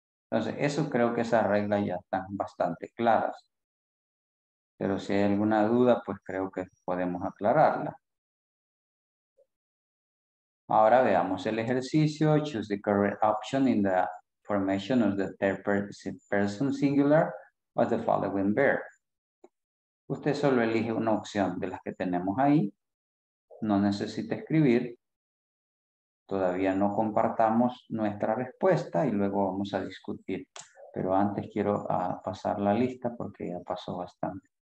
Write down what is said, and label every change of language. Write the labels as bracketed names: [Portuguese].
[Spanish] Entonces, eso creo que esas reglas ya están bastante claras. Pero si hay alguna duda, pues creo que podemos aclararla. Ahora veamos el ejercicio. [English] Choose the correct option in the formation of the third person singular. Of the following verb. [Spanish] Usted solo elige una opción de las que tenemos ahí. No necesita escribir. Todavía no compartamos nuestra respuesta y luego vamos a discutir. Pero antes quiero pasar la lista porque ya pasó bastante.